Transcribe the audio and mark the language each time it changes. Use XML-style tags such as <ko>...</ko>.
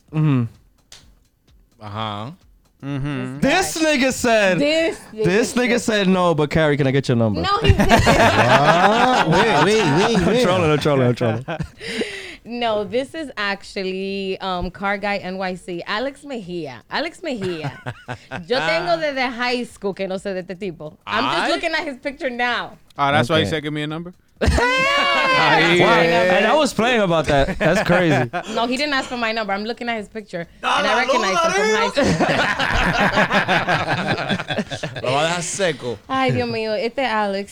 <en>This nigga said. This nigga said no, but Carrie, can I get your number? No, he didn't. wait. I'm trolling. No, this is actually Car Guy NYC, Alex Mejia.</en> <es>Yo tengo desde high school que no sé de este tipo.</es> <en>I'm just looking at his picture now. That's okay. Why he said give me a number? And I was playing about that. That's crazy. No, he didn't ask for my number. I'm looking at his picture. And I recognize him from high school.</en> <es>Lo va a dejar seco. Ay, Dios mío. Este Alex.</es>